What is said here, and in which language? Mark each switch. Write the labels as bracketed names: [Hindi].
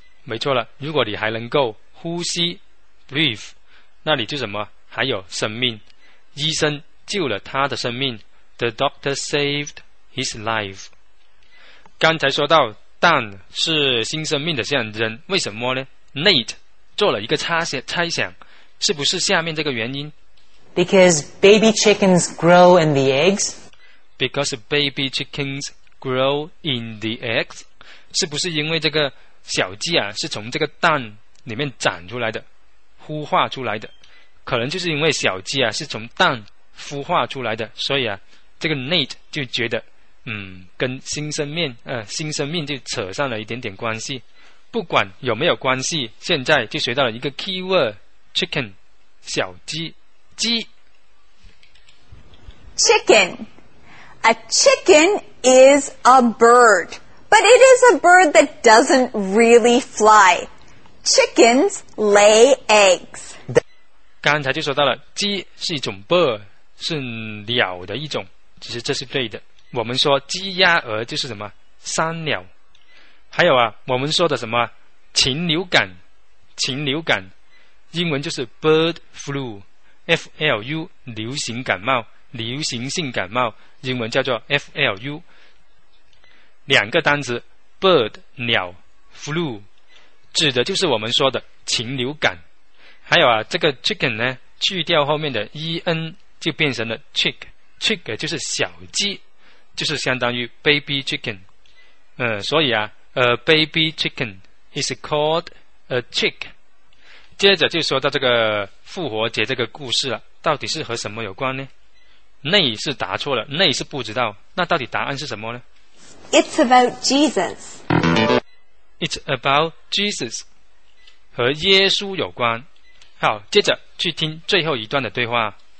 [Chinese] 没错了，如果你还能够呼吸Breathe， 那你就什么？还有生命。医生救了他的生命 ， [English] The doctor saved his life。 [Chinese] 刚才说到蛋是新生命的象征，为什么呢 ？Nate 做了一个猜想，是不是下面这个原因 [English] ？Because baby chickens grow in the eggs。 Because baby chickens grow in the eggs， [Chinese] 是不是因为这个小鸡啊是从这个蛋里面长出来的？孵化出来的，可能就是因为小鸡啊是从蛋孵化出来的，所以啊，这个 Nate 就觉得，跟新生命就扯上了一点点关系。不管有没有关系，现在就学到了一个 keyword chicken， 小鸡，鸡。 [English] Chicken， a chicken is a bird， but it is a bird that doesn't really fly。 Chickens lay eggs。 [Chinese] 刚才就说到了鸡是一种 bird， 是鸟的一种，其实这是对的。我们说鸡鸭鹅就是什么山鸟。还有啊，我们说的什么禽流感英文就是 bird flu， FLU 流行感冒，流行性感冒英文叫做 FLU。两个单词 bird 鸟， flu指的就是我们说的禽流感。还有啊，这个 chicken 呢，去掉后面的 en 就变成了 chick， 就是小鸡，就是相当于 baby chicken。所以啊 [English] ，a baby chicken is called a chick。 [Chinese] 接着就说到这个复活节这个故事了，到底是和什么有关呢？内是答错了，内是不知道，那到底答案是什么呢 [English] ？It's about Jesus。 It's about Jesus， [Chinese] 和耶稣有关。好，接着去听最后一段的对话。